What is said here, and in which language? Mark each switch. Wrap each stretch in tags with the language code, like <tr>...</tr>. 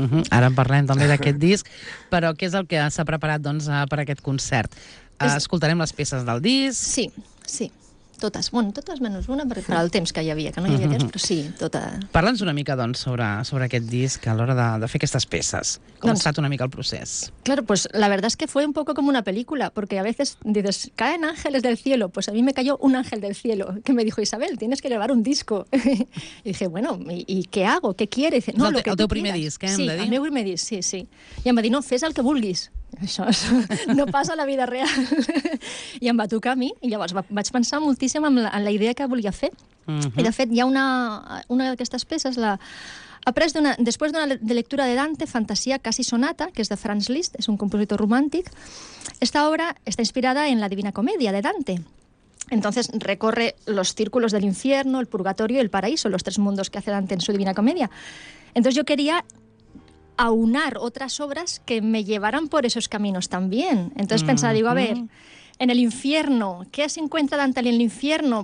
<ca>Ara en parlem també d'aquest disc, però què és el que s'ha preparat doncs per aquest concert? Escoltarem les peces del disc? Sí, sí. Totes, bueno, totes menys una, perquè per al temps que hi havia, que no hi havia temps, però sí, tota... Parla'ns una mica, doncs, sobre aquest disc a l'hora de fer aquestes peces. Com doncs, ha estat una mica el procés?</ca> <es>Claro, pues la verdad es que fue un poco como una película, porque a veces dices, caen ángeles del cielo, pues a mí me cayó un ángel del cielo, que me dijo, Isabel, tienes que grabar un disco. Y dije, bueno, ¿y qué hago? ¿Qué quieres?</es> <ca>No, el teu primer disc, què hem de dir? Sí, el meu primer disc, sí, sí. I em va dir, no, fes el que vulguis. Això no passa a la vida real. I em va tocar a mi, i llavors vaig pensar moltíssim en la idea que volia fer. I de fet, hi ha una d'aquestes peces, després de lectura de Dante, Fantasia quasi sonata, que és de Franz Liszt, és un compositor romàntic, esta obra està inspirada en la Divina Comèdia de Dante.</ca> <es>Entonces recorre los círculos del infierno, el purgatorio y el paraíso, los tres mundos que hace Dante en su Divina Comèdia. Entonces yo quería... aunar otras obras que me llevaran por esos caminos también. Entonces pensaba, digo, a ver, en el infierno, ¿qué se encuentra Dante en el infierno?</es>